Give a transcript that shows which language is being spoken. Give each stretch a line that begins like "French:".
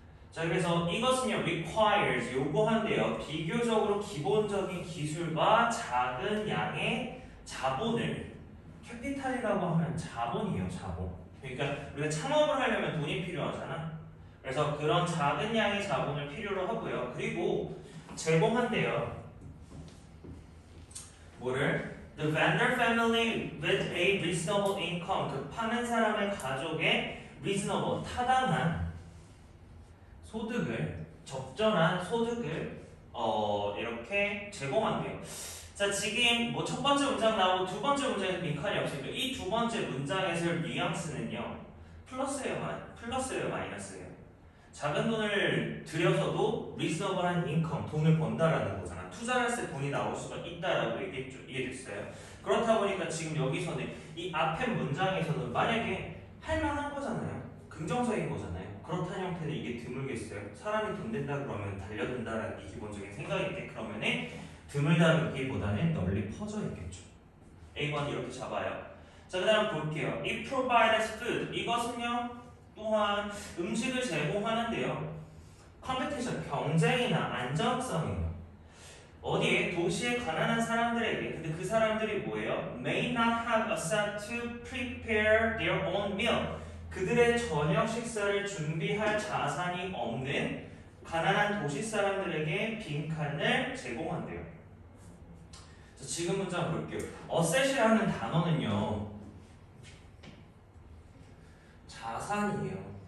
Korean: 자, 그래서 이것은요, requires, 요구한대요. 비교적으로 기본적인 기술과 작은 양의 자본을, capital이라고 하면 자본이에요, 자본. 그러니까 우리가 창업을 하려면 돈이 필요하잖아. 그래서 그런 작은 양의 자본을 필요로 하고요. 그리고 제공한대요. 뭐를?
English: The vendor family with a reasonable income.
Korean: 그 파는 사람의 가족의 reasonable, 타당한 소득을, 적절한 소득을 이렇게 제공한대요. 자, 지금 뭐 첫 번째 문장 나오고 두 번째 문장에 빈칸이 없으니까 이 두 번째 문장에서 뉘앙스는요, 플러스예요, 마이너스예요? 작은 돈을 들여서도 리서블한 인컴, 돈을 번다라는 거잖아. 투자할 때 돈이 나올 수가 있다라고 얘기했죠. 이해됐어요? 그렇다 보니까 지금 여기서는 이 앞에 문장에서는 만약에 할만한 거잖아요. 긍정적인 거잖아요. 그렇다는 형태는 이게 드물겠어요. 사람이 돈 된다 그러면 달려든다라는 게 기본적인 생각인데, 그러면은 드물다 보기보다는 널리 퍼져 있겠죠. A번 이렇게 잡아요. 자, 그 다음 볼게요.
English: It provides food.
Korean: 이것은요, 또한 음식을 제공하는데요. Competition, 경쟁이나 안정성이에요. 어디에? 도시에 가난한 사람들에게. 근데 그 사람들이 뭐예요?
English: May not have a set to prepare their own meal.
Korean: 그들의 저녁 식사를 준비할 자산이 없는 가난한 도시 사람들에게 빈칸을 제공한대요. 자, 지금 문장 볼게요. Asset이라는 단어는요, 자산이에요.